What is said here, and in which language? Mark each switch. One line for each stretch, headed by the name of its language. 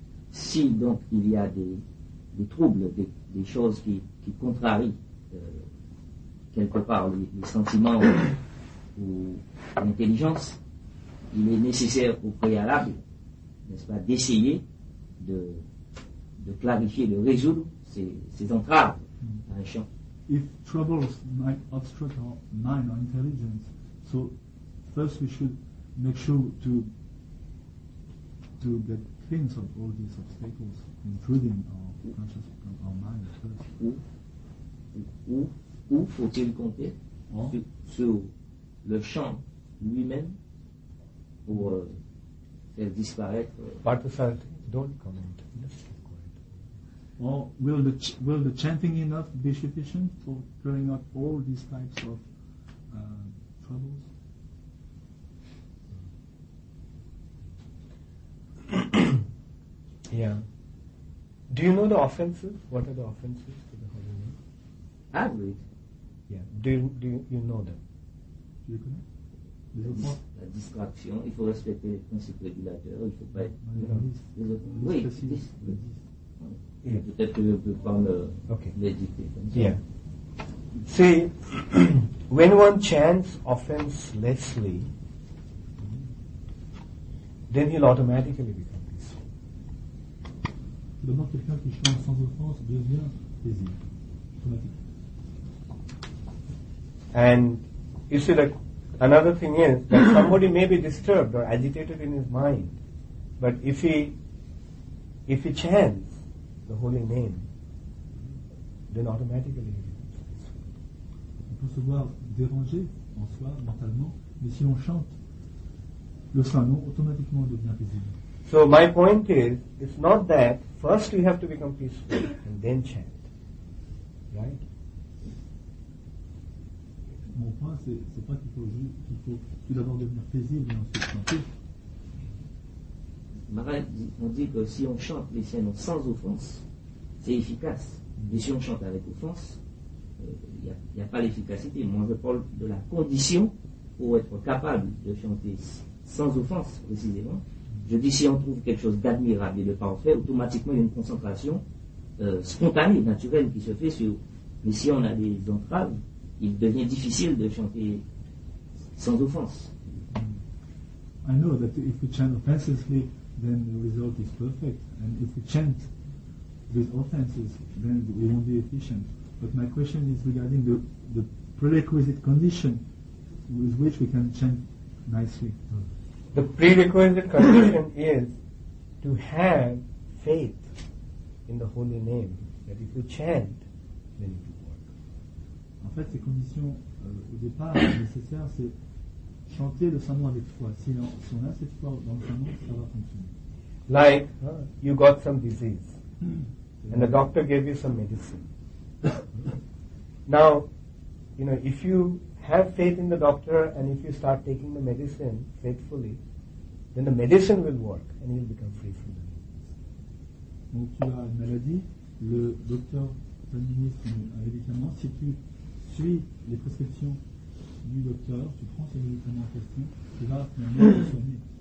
French: Si donc il y a des troubles, des choses qui contrarient quelque part les sentiments ou l'intelligence, il est nécessaire au préalable, n'est-ce pas, d'essayer de clarifier, de résoudre ces entraves à un champ.
English: If troubles might obstruct our mind or intelligence, so first we should make sure to get clean of all these obstacles, including our conscious, our mind first.
French: Où faut-il compter sur le champ lui-même pour faire disparaître.
English: Parthasarathy, don't comment. Just keep quiet. Or will the chanting enough be sufficient for clearing up all these types of troubles? Yeah. Do you know the offenses? What are the offenses to the Holy Name? I agree. Yeah. Do you know them?
French: La distraction, il faut respecter les principes régulateurs, il ne faut pas être. Oui, peut-être que je peux prendre l'éditer.
English: Yeah. See, when one chants offenselessly, then he'll automatically become peaceful.
French: Demande quelqu'un qui chante sans offense devient paisible. Automatique.
English: And you see, like, another thing is that somebody may be disturbed or agitated in his mind, but if he chants the holy name, then automatically he becomes peaceful.
French: On peut se voir dérangé en soi, mentalement, mais si on chante le saint nom, automatiquement on devient paisible.
English: So my point is, it's not that first you have to become peaceful and then chant, right?
French: mon point, c'est pas qu'il faut, qu'il faut tout d'abord devenir paisible et ensuite chanter. Marat, on dit que si on chante les siennes sans offense, c'est efficace. Mais si on chante avec offense, il n'y a pas l'efficacité. Moi, je parle de la condition pour être capable de chanter sans offense, précisément. Je dis, si on trouve quelque chose d'admirable et de parfait, automatiquement, il y a une concentration spontanée, naturelle, qui se fait sur... Mais si on a des entraves, il devient difficile de chanter sans offense.
English: I know that if we chant offensively, then the result is perfect. And if we chant with offenses, then we won't be efficient. But my question is regarding the prerequisite condition with which we can chant nicely. The prerequisite condition is to have faith in the holy name, that if you chant, then it will work.
French: En fait, ces conditions au départ nécessaires, c'est chanter le Saint-Nom avec foi. Si on a cette foi dans le Saint-Nom, ça va fonctionner.
English: Like you got some disease, and the doctor gave you some medicine. Now, you know, if you have faith in the doctor and if you start taking the medicine faithfully, then the medicine will work and you'll become free from the disease.
French: Donc tu as une maladie, le docteur t'administre un médicament. Si tu suis les prescriptions du docteur, tu prends ce médicament en question, tu vas finalement te soigner.